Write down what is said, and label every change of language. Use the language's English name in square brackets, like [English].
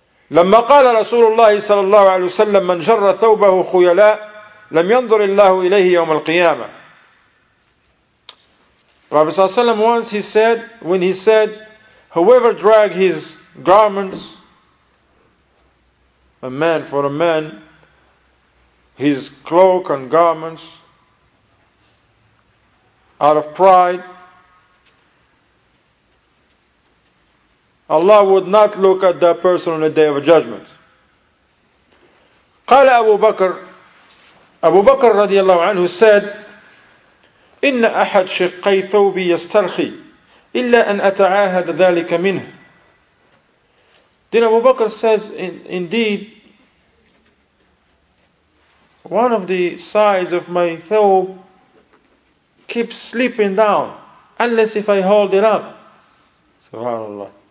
[Arabic] لما قال رسول الله صلى الله عليه وسلم من جر ثوبه خيلاء لم ينظر الله إليه يوم القيامة. [English] Prophet صلى الله عليه وسلم once he said, when he said, whoever drag his garments, a man for a man, his cloak and garments, out of pride, Allah would not look at that person on the day of judgment. [Arabic] قال أبو بكر رضي الله عنه said, إن أحد شقي ثوبي يسترخي إلا أن أتعاهد ذلك منه. [English] Then Abu Bakr says, indeed, one of the sides of my thobe keeps slipping down, unless if I hold it up. SubhanAllah.